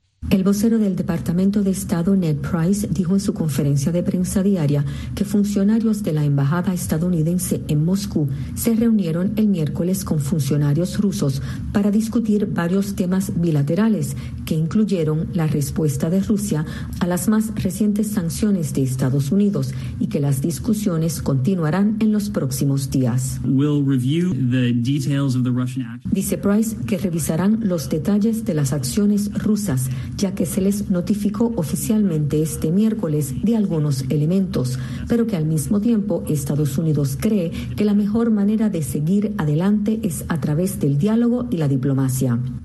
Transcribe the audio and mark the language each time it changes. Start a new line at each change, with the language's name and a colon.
Spanish: El vocero del Departamento de Estado, Ned Price, dijo en su conferencia de prensa diaria que funcionarios de la embajada estadounidense en Moscú se reunieron el miércoles con funcionarios rusos para discutir varios temas bilaterales, que incluyeron la respuesta de Rusia a las más recientes sanciones de Estados Unidos y que las discusiones continuarán en los próximos días.
English: We'll review the details of the Russian action.
Spanish: Dice Price que revisarán los detalles de las acciones rusas, ya que se les notificó oficialmente este miércoles de algunos elementos, pero que al mismo tiempo Estados Unidos cree que la mejor manera de seguir adelante es a través del diálogo y la diplomacia.